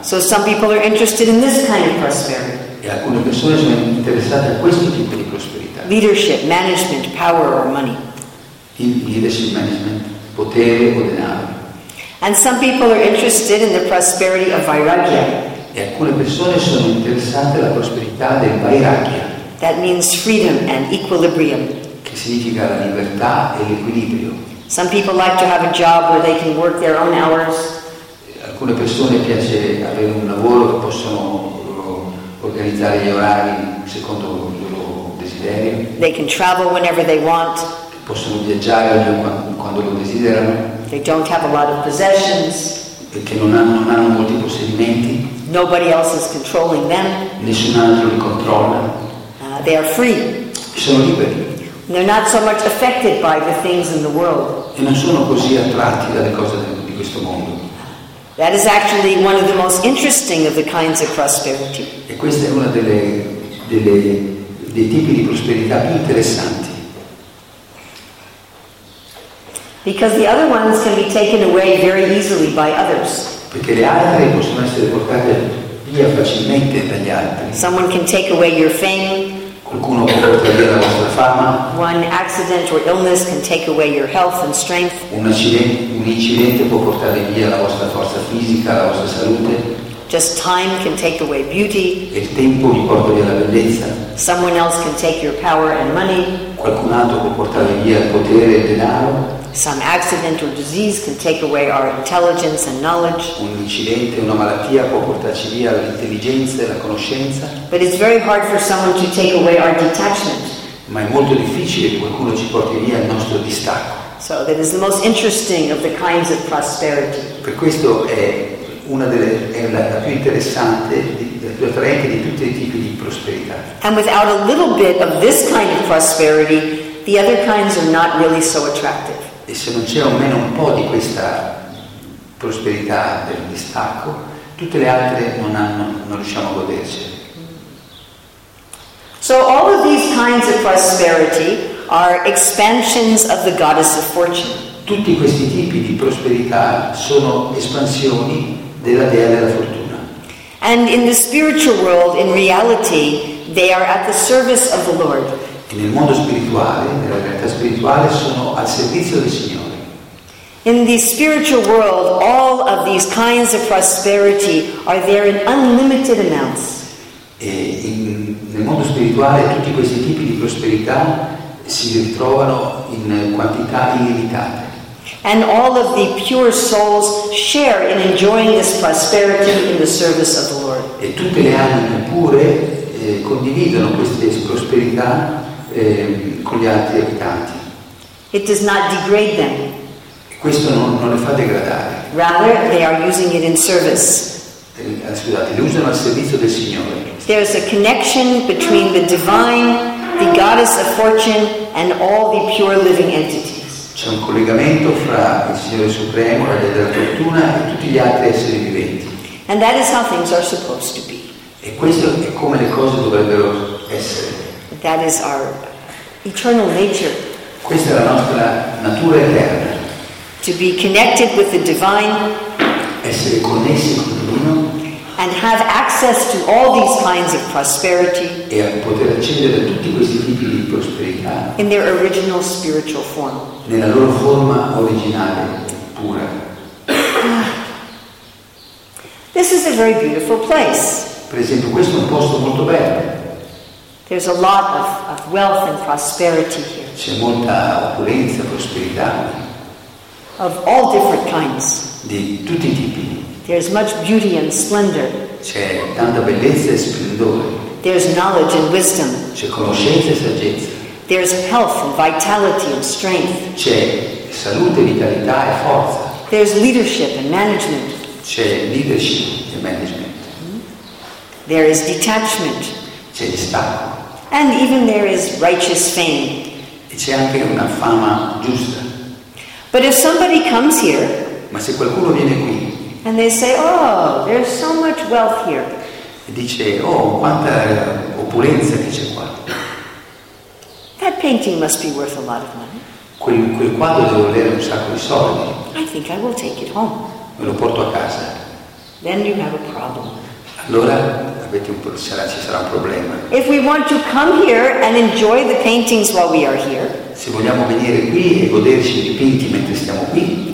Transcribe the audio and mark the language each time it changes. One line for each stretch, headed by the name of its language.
English: So some people are interested in this kind of prosperity.
Italian: E alcune persone sono interessate a questo tipo di prosperità.
English: Leadership, management, power or money.
Italian: Leadership, management, potere o denaro.
English: And some people are interested in the prosperity of Vairagya.
Italian: E alcune persone sono interessate alla prosperità del Vairagya.
English: That means freedom and equilibrium.
Italian: Che significa la libertà e l'equilibrio.
English: Some people like to have a job where they can work their own hours.
Italian: Alcune persone piace avere un lavoro che possono organizzare gli orari secondo il loro desiderio.
English: They can travel whenever they want.
Italian: Possono viaggiare quando lo desiderano.
English: They don't have a lot of possessions.
Italian: Perché non hanno molti possedimenti.
English: Nobody else is controlling them.
Italian: Nessun altro li controlla.
English: They are free.
Italian: Sono liberi.
English: They're not so much affected by the things in the world.
Italian: E non sono così attratti dalle cose di questo mondo.
English: That is actually one of the most interesting of the kinds of prosperity.
Italian: E questa è una dei tipi di prosperità più interessanti.
English: Because the other ones can be taken away very easily by others.
Italian: Perché le altre possono essere portate via facilmente dagli altri.
English: Someone can take away your fame.
Italian: Qualcuno può portare via la vostra fama.
English: One accident or illness can take away your health and strength.
Italian: Un incidente può portare via la vostra forza fisica, la vostra salute.
English: Just time can take away beauty.
Italian: Il tempo vi porta via la bellezza.
English: Someone else can take your power and money.
Italian: Qualcun altro può portare via il potere e il denaro.
English: Some accident or disease can take away our intelligence and knowledge.
Italian: Un incidente, una malattia può portarci via l'intelligenza e la conoscenza.
English: But it's very hard for someone to take away our detachment.
Italian: Ma è molto difficile che qualcuno ci porti via il nostro distacco.
English: So that is the most interesting of the kinds of prosperity.
Italian: Per questo è una delle è la più interessante, la più attraente di tutti i tipi di prosperità.
English: And without a little bit of this kind of prosperity, the other kinds are not really so attractive.
Italian: E se non c'è almeno un po' di questa prosperità del distacco, tutte le altre non riusciamo a godercele.
English: So all of these kinds of prosperity are expansions of the goddess of fortune.
Italian: Tutti questi tipi di prosperità sono espansioni della dea della fortuna.
English: And in the spiritual world, in reality, they are at the service of the Lord.
Italian: E nel mondo spirituale, nella realtà spirituale, sono al servizio del Signore.
English: In the spiritual world, all of these kinds of prosperity are there in unlimited amounts.
Italian: E nel mondo spirituale tutti questi tipi di prosperità si ritrovano in quantità illimitate.
English: And all of the pure souls share in enjoying this prosperity in the service of the Lord.
Italian: E tutte le anime pure condividono queste prosperità con gli altri abitanti.
English: It does not degrade them.
Italian: Questo non le fa degradare.
English: Rather, they are using it in service.
Italian: Le usano al servizio del Signore.
English: There is a connection between the divine, the goddess of fortune, and all the pure living entities.
Italian: C'è un collegamento fra il Signore Supremo, la Dea della Fortuna e tutti gli altri esseri viventi.
English: And that is how things are supposed to be.
Italian: E questo è come le cose dovrebbero essere.
English: That is our eternal nature.
Italian: Questa è la nostra natura eterna.
English: To be connected with the divine.
Italian: Essere connessi con il divino.
English: And have access to all these kinds of prosperity.
Italian: E poter accedere a tutti questi tipi di prosperità.
English: In their original spiritual form.
Italian: Nella loro forma originale pura.
English: This is a very beautiful place.
Italian: Per esempio, questo è un posto molto bello.
English: There's a lot of wealth and prosperity here.
Italian: C'è molta opulenza, prosperità.
English: Of all different kinds.
Italian: Di tutti i tipi.
English: There's much beauty and splendor.
Italian: C'è tanta bellezza e splendore.
English: There's knowledge and wisdom.
Italian: C'è conoscenza e saggezza.
English: There's health and vitality and strength.
Italian: C'è salute, vitalità e forza.
English: There's leadership and management.
Italian: C'è leadership e management.
English: There is detachment.
Italian: C'è distacco.
English: And even there is righteous fame.
Italian: E c'è anche una fama giusta.
English: But if somebody comes here,
Italian: ma se qualcuno viene qui,
English: and they say, oh, there's so much wealth here.
Italian: E dice, oh, quanta opulenza che c'è qua.
English: That painting must be worth a lot of money.
Italian: Quel quadro deve valere un sacco di soldi.
English: I think I will take it home.
Italian: Me lo porto a casa.
English: Then you have a problem.
Italian: Allora avete un ci sarà un problema.
English: If we want to come here and enjoy the paintings while we are here.
Italian: Se vogliamo venire qui e goderci i dipinti mentre stiamo qui.